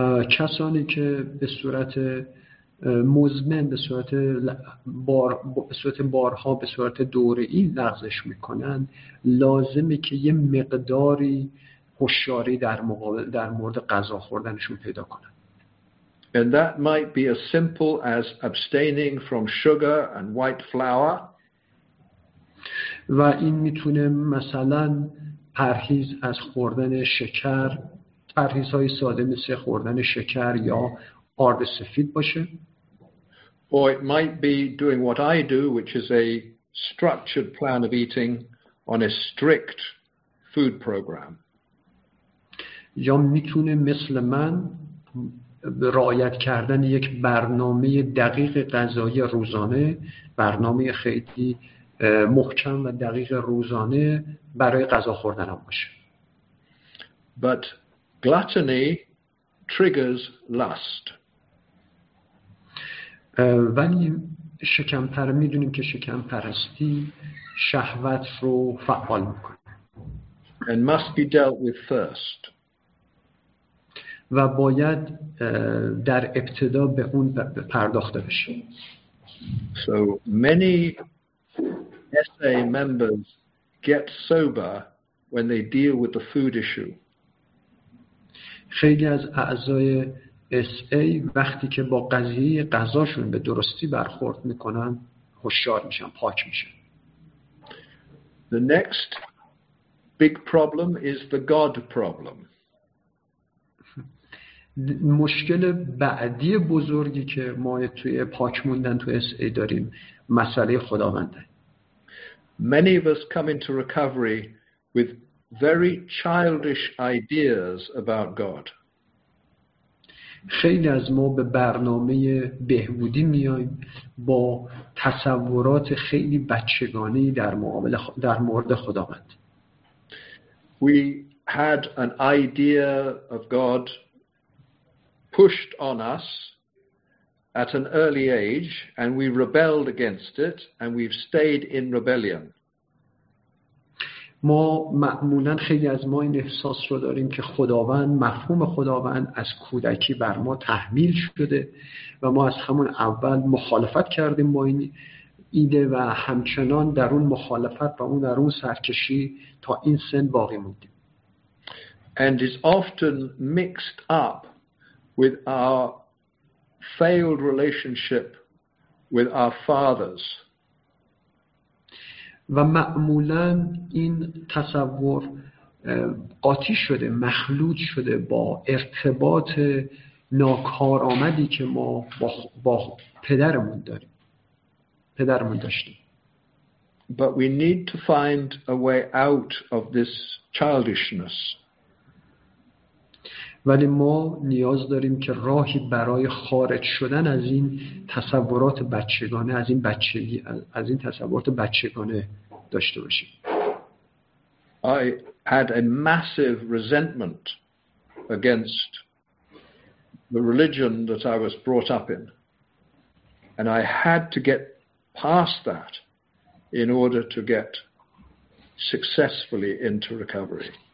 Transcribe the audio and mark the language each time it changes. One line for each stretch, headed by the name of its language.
Persian: کسانی که به صورت مزمن به صورت بارها به صورت دوره‌ای لغزش میکنن لازمه که یه مقداری هوشیاری در مورد غذا خوردنشون پیدا کنن.
English: And that might be as simple as abstaining from sugar and white flour.
Persian: و این میتونه مثلا پرهیز از خوردن شکر، پرهیزهای ساده مثل خوردن شکر یا آرد سفید باشه.
English: Or it might be doing what I do, which is a structured plan of eating on a strict food program.
Persian: یا میتونه مثل من رعایت کردن یک برنامه دقیق غذایی روزانه، برنامه خیلی محکم و دقیق روزانه برای غذا خوردن هم باشه.
English: But gluttony triggers lust.
Persian: ولی شکمپر میدونیم که شکمپرستی شهوت رو فعال میکنه.
English: And must be dealt with first.
Persian: و باید در ابتدا به اون پرداخته بشه.
English: So many SA members get sober when they deal with the food issue.
Persian: خیلی از اعضای SA وقتی که با قضیه غذاشون به درستی برخورد میکنن هوشیار میشن، پاک میشن.
English: The next big problem is the God problem.
Persian: مشکل بعدی بزرگی که ما توی پاک موندن تو SA داریم مسئله خداونده.
English: Many of us come into recovery with very childish ideas about God.
Persian: خیلی از ما به برنامه بهبودی میایم با تصورات خیلی بچگانه‌ای در مورد خداوند.
English: We had an idea of God pushed on us at an early age and we rebelled against it and we've stayed in rebellion.
Persian: ما معمولا خیلی از ما این احساس رو داریم که خداوند، مفهوم خداوند از کودکی بر ما تحمیل شده و ما از همون اول مخالفت کردیم با این ایده و همچنان در اون مخالفت و اون در اون سرکشی تا این سن باقی موندیم.
English: And is often mixed up with our failed relationship with our fathers.
Persian: و معمولا این تصور قاطی شده، مخلوط شده با ارتباط ناکارآمدی که ما با پدرمون داریم، پدرمون داشتیم.
English: But we need to find a way out of this childishness.
Persian: ولی ما نیاز داریم که راهی برای خارج شدن از این تصورات بچگانه، از این بچگی، از این تصورات بچگانه داشته باشیم.
English: I had a massive resentment against the religion that I was brought up in, and I had to get past that in order to get successfully into recovery.